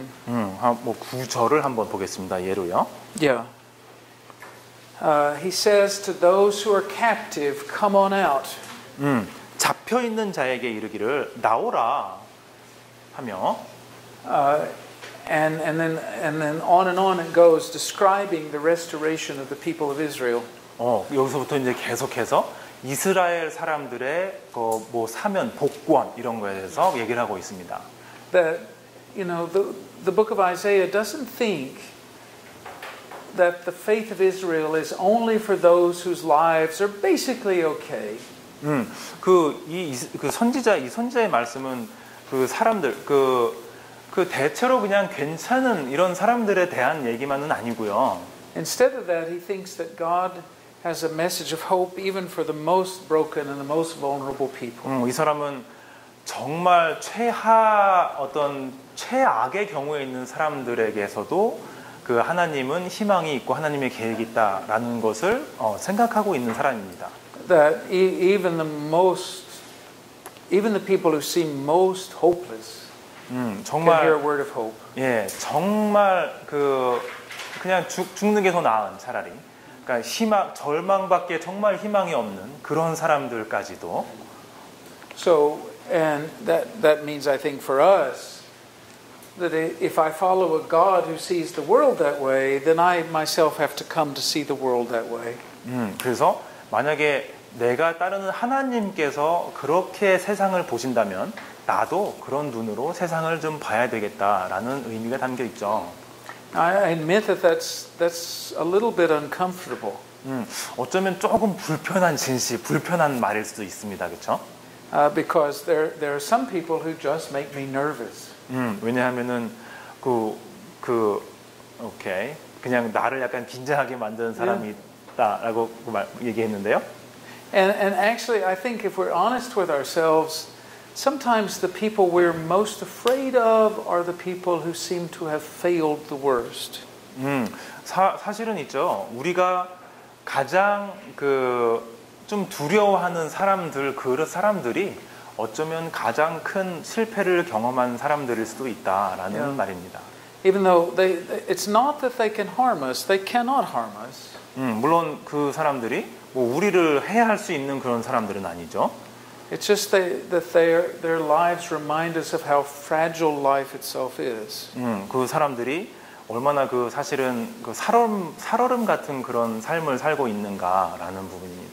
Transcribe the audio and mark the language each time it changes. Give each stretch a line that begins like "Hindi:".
Korean: 9절을 한번 보겠습니다. 예로요.
English: Yeah. He says to those who are captive, come on out.
Korean: 잡혀 있는 자에게 이르기를 나오라 하며
English: and then on and on it goes describing the restoration of the people of Israel.
Korean: 여기서부터 이제 계속해서 이스라엘 사람들의 그 뭐 사면 복권 이런 거에 대해서 얘기를 하고 있습니다.
English: That you know the book of Isaiah doesn't think that the faith of Israel is only for those whose lives are basically okay.
Korean: 선지자의 말씀은 그 사람들 그 대체로 그냥 괜찮은 이런 사람들에 대한 얘기만은 아니고요.
English: Instead of that, he thinks that God has a message of hope even for the most broken and the most vulnerable people.
Korean: 이 사람은 정말 최하 어떤 최악의 경우에 있는 사람들에게서도 그 하나님은 희망이 있고 하나님의 계획이 있다라는 것을 생각하고 있는 사람입니다.
English: That even the most, even the people who seem most hopeless,
Korean: 정말,
English: can hear a word of hope.
Korean: 예, 정말 그 그냥 죽는 게 더 나은 차라리. 그러니까 희망, 절망밖에 정말 희망이 없는 그런 사람들까지도.
English: So and that means I think for us. That if I follow a God who sees the world that way, then I myself have to come to see the world that way.
Korean: 그래서 만약에 내가 따르는 하나님께서 그렇게 세상을 보신다면 나도 그런 눈으로 세상을 좀 봐야 되겠다라는 의미가 담겨 있죠.
English: I admit that that's a little bit uncomfortable.
Korean: 어쩌면 조금 불편한 진실, 불편한 말일 수도 있습니다, 그렇죠?
English: Because there are some people who just make me nervous.
Korean: 왜냐하면은 오케이 그냥 나를 약간 긴장하게 만드는 사람이 있다라고 얘기했는데요.
English: And actually, I think if we're honest with ourselves, sometimes the people we're most afraid of are the people who seem to have failed the worst.
Korean: 사실은 있죠. 우리가 가장 그 좀 두려워하는 사람들 그런 사람들이 어쩌면 가장 큰 실패를 경험한 사람들일 수도 있다라는 yeah. 말입니다.
English: Even though it's not that they can harm us, they cannot harm us.
Korean: 물론 그 사람들이 뭐 우리를 해할 수 있는 그런 사람들은 아니죠.
English: It's just their lives remind us of how fragile life itself is.
Korean: 그 사람들이 얼마나 그 사실은 그 살얼음 같은 그런 삶을 살고 있는가라는 부분입니다.